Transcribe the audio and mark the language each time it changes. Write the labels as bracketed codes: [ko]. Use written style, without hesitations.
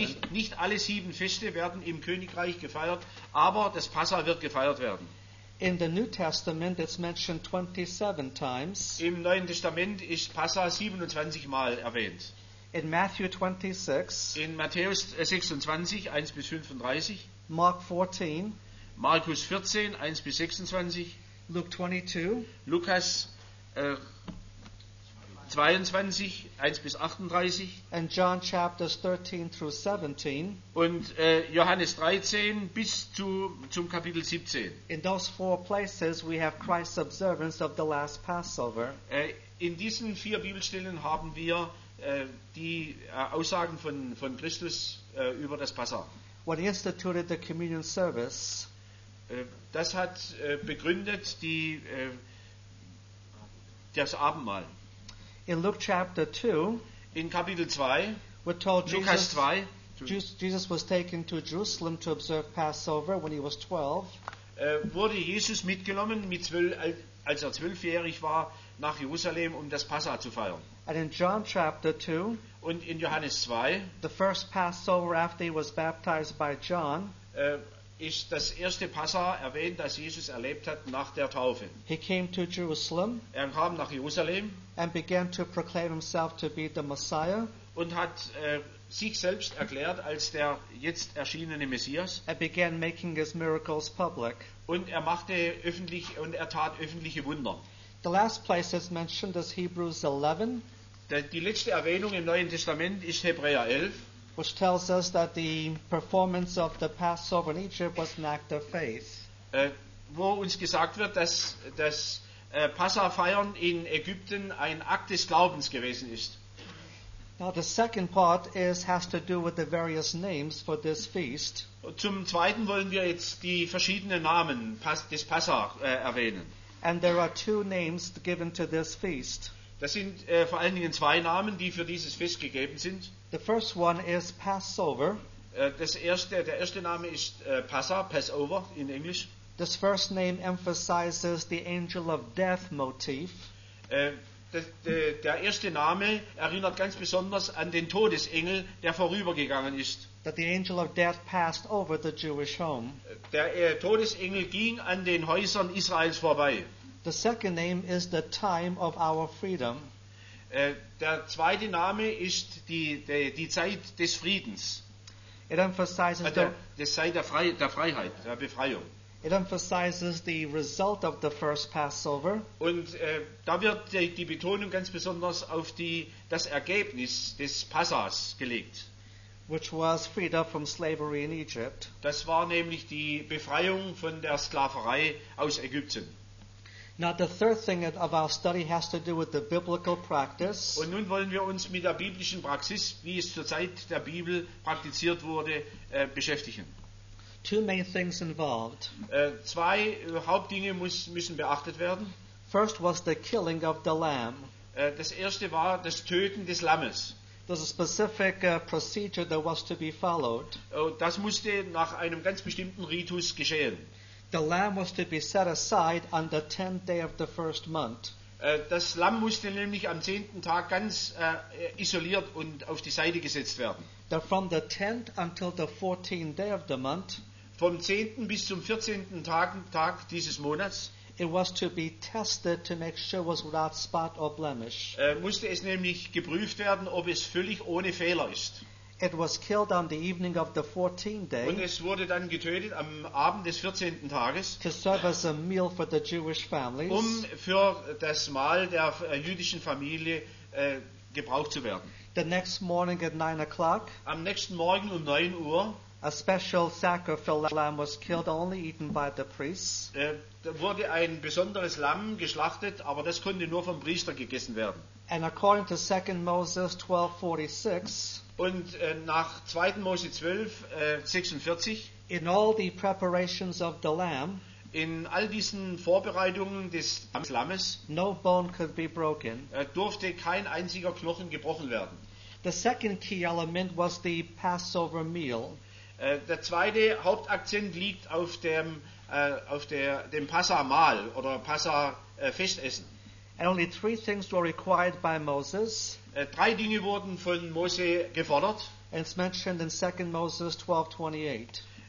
[de] Nicht alle sieben Feste werden im Königreich gefeiert, aber das Passa wird gefeiert werden. [en] In the New Testament it's mentioned 27 times. [de] Im Neuen Testament ist Passa 27 Mal erwähnt. [en] In Matthew 26. [de] In Matthäus 26, 1 bis 35. [en] Mark 14, [de] Markus 14, 1 bis 26, [en] Luke 22, [de] Lukas 22, 1 bis 38, [en] and John chapters 13 through 17, [de] und Johannes 13 bis zum Kapitel 17. [en] In those four places we have Christ's observance of the last Passover. [de] In diesen vier Bibelstellen haben wir die Aussagen von Christus über das Passa. [en] what instituted the communion service. [de] Das hat begründet das Abendmahl. [en] In Luke chapter 2, [de] in Kapitel 2, [en] we're told [de] Lukas 2, [en] Jesus was taken to Jerusalem to observe Passover when he was 12. [de] Wurde Jesus mitgenommen, als er 12-jährig war, nach Jerusalem, um das Passa zu feiern. [en] And in John chapter 2, [de] und in Johannes 2, [en] the first Passover after he was baptized by John, [de] ist das erste Passa erwähnt, das Jesus erlebt hat nach der Taufe. [en] He came to Jerusalem, [de] er kam nach Jerusalem, [en] and began to proclaim himself to be the Messiah, [de] und hat sich selbst erklärt als der jetzt erschienene Messias, [en] and began making his miracles public. [de] Und er machte öffentlich und er tat öffentliche Wunder. [en] The last place is mentioned is Hebrews 11. [de] Die letzte Erwähnung im Neuen Testament ist Hebräer 11. [en] Which tells us that the performance of the Passover in Egypt was an act of faith. [de] Wo uns gesagt wird, dass das Passafeiern in Ägypten ein Akt des Glaubens gewesen ist. [en] Now the second part has to do with the various names for this feast. [de] Zum Zweiten wollen wir jetzt die verschiedenen Namen des Passa erwähnen. [en] And there are two names given to this feast. [de] Das sind vor allen Dingen zwei Namen, die für dieses Fest gegeben sind. [en] The first one is Passover. [de] Der erste Name ist Passover in Englisch. [en] This first name emphasizes the angel of death motif. [de] Der erste Name erinnert ganz besonders an den Todesengel, der vorübergegangen ist. [en] That the angel of death passed over the Jewish home. [de] Der Todesengel ging an den Häusern Israels vorbei. [en] The second name is the time of our freedom. [de] Der zweite Name ist die Zeit des Friedens. [en] It emphasizes [de] der Befreiung. [en] It emphasizes the result of the first Passover. [de] Und da wird die Betonung ganz besonders auf das Ergebnis des Passas gelegt. [en] Which was freed up from slavery in Egypt. [de] Das war nämlich die Befreiung von der Sklaverei aus Ägypten. [en] Now the third thing of our study has to do with the biblical practice. [de] Und nun wollen wir uns mit der biblischen Praxis, wie es zur Zeit der Bibel praktiziert wurde, beschäftigen. [en] Two main things involved. [de] Zwei Hauptdinge müssen beachtet werden. [en] First was the killing of the lamb. [de] Das erste war das Töten des Lammes. [en] There's a specific procedure that was to be followed. [de] Das musste nach einem ganz bestimmten Ritus geschehen. [en] The lamb was to be set aside on the 10th day of the first month. [de] Das Lamm musste nämlich am 10. Tag ganz isoliert und auf die Seite gesetzt werden. [en] From the 10th until the 14th day of the month. [de] Vom 10. bis zum 14. Tag dieses Monats. [en] It was to be tested to make sure it was without spot or blemish. [de] Musste es nämlich geprüft werden, ob es völlig ohne Fehler ist. [en] It was killed on the evening of the 14th day. [de] Und es wurde dann getötet am Abend des 14. Tages. [en] To serve as a meal for the Jewish families. [de] Um für das Mahl der jüdischen Familie gebraucht zu werden. [en] The next morning at 9 o'clock. [de] Am nächsten Morgen um 9 Uhr. [en] A special sacrificial lamb was killed, only eaten by the priests. [de] Da wurde ein besonderes Lamm geschlachtet, aber das konnte nur vom Priester gegessen werden. [en] And according to 2 Moses 12:46. [de] Und nach 2. Mose 12, 46, [en] in all the preparations of the lamb, [de] in all diesen Vorbereitungen des Lammes, [en] no bone could be broken. [de] Durfte kein einziger Knochen gebrochen werden. [en] The second key element was the Passover meal. [de] Der zweite Hauptakzent liegt auf dem Passamahl oder Passa-Festessen. [en] And only three things were required by Moses. [de] Drei Dinge wurden von Mose gefordert. [en] And it's mentioned in 2 Moses 12:28.